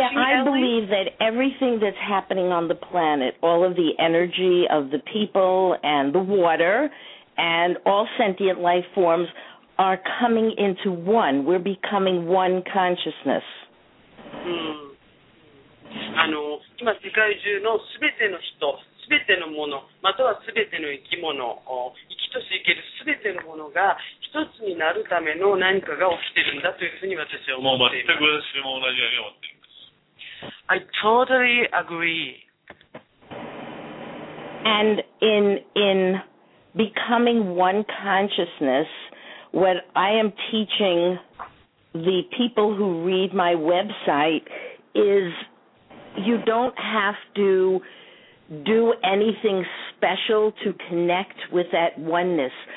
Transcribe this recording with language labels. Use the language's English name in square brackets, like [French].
[English] Ellie? Yeah, I believe that everything that's happening on the planet, all of the energy of the people and the water and all sentient life forms are coming into one. We're becoming one consciousness. Mm. [Japanese] あの、今世界中のすべての人、すべてのもの、または生き物、生き等しいけれど、すべてのものが一つになるための何かが起きているんだというふうに私は思っています。もう全く私も同じように思っています。 [English] I totally agree. And in becoming one consciousness, what I am teaching the people who read my website is you don't have to do anything special to connect with that oneness.